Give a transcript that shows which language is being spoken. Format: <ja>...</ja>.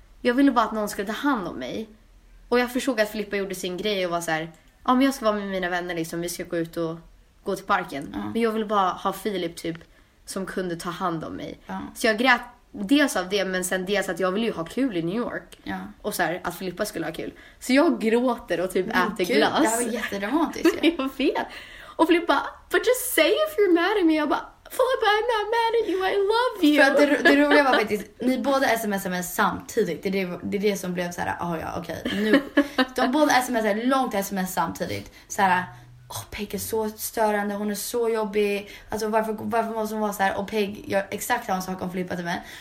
<sv>Jag ville bara att någon skulle ta hand om mig. Och jag förstod att Filippa gjorde sin grej och var så här, ja, men jag ska vara med mina vänner liksom, vi ska gå ut och gå till parken. Men jag ville bara ha Filip typ som kunde ta hand om mig. Så jag grät dels av det, men sen dels att jag ville ju ha kul i New York. Och så här att Filippa skulle ha kul. Så jag gråter och typ äter glass. Det var jätteromantiskt. Jag var fel.</sv> <en>Och Filippa, but just say if you're mad at me.</en> <sv>Jag bara,</sv> <en>Filippa, I'm not mad at you, I love you.</en> <sv>För att det roliga var faktiskt, ni båda smsade mig samtidigt. Det är det som blev så här, okej. De båda smsade långt sms samtidigt. Så här, Peg är så störande, hon är så jobbig. Alltså varför måste hon vara så här? Och Peg gör exakt samma sak om Filippa till mig.</sv>